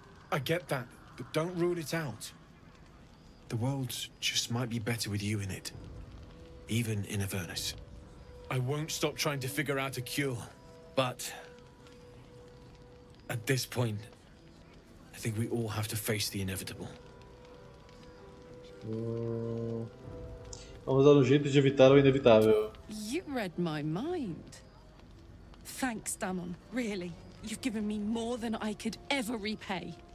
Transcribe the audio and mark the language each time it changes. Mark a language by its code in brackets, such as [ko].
[en] I get that, but don't rule it out. The world just might be better with you in it. Even in Avernus. I won't stop trying to figure out a cure, but at this point, I think we all have to face the inevitable. [pt] Vamos dar um jeito de evitar o inevitável. [en] You read my mind. Thanks, Damon. Really. You've given me more than I could ever repay.